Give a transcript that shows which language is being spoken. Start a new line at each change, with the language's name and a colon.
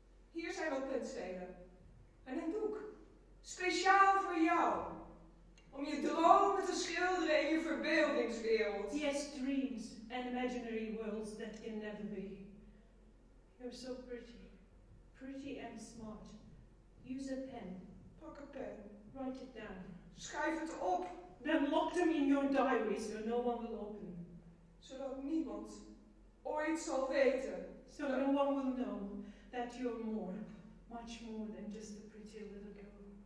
Dutch: Hier zijn wat puntstenen. En een doek. Speciaal voor jou. Om je dromen te schilderen in je verbeeldingswereld.
English: Yes, dreams and imaginary worlds that can never be. You're so pretty. Pretty and smart. Use a pen.
Dutch: Pak een pen.
English: Write it down.
Dutch: Schrijf het op.
English: Then lock them in your diary so no one will open.
Dutch: Zodat niemand ooit zal weten.
English: So no one will know that you're more, much more than just a pretty little girl.